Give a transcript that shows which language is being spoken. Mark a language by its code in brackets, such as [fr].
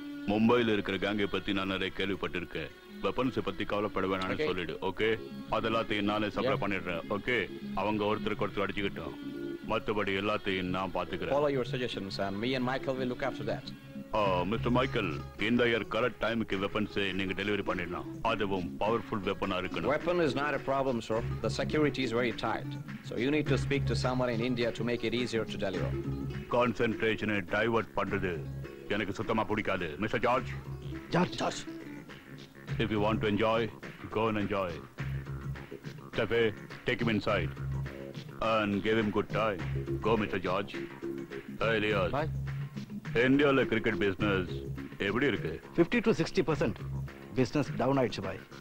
[ta] மும்பையில இருக்கிற கேங்கை பத்தி நான் நிறைய கேள்விப்பட்டிருக்கேன். வெப்பன்ஸ் பத்தி கவலைப்பட வேணாம்னு சொல்லிடு, ஓகே? அதெல்லாத்தையும் நானே சப்ளை பண்ணிடுறேன், ஓகே? அவங்க ஒருத்தருக்கு ஒருத்தர் அடிச்சுக்கிட்டோம், மற்றபடி எல்லாத்தையும் நான் பாத்துக்கிறேன். [en] Follow your suggestion, Sam. Me and Michael will look after that. [ta] Mister Michael, இந்த இயர் கரெக்ட் டைமுக்கு வெப்பன்ஸ் நீங்க டெலிவரி பண்ணிடலாம். அதுவும் பவர்ஃபுல் வெப்பனா இருக்கணும். [en] Weapon is not a problem, sir. The security is very tight. So you need to speak to someone in India to make it easier to deliver. [ta] Concentration divert பண்றது எனக்கு சுத்தமா பிடிக்காது. Mister George, George George, [en] if you want to enjoy, go and enjoy. Tefe, take him inside and give him good time. Go, Mr. George. Hey, Elias. Hi. India's cricket business, how is it? 50-60% business down, boy.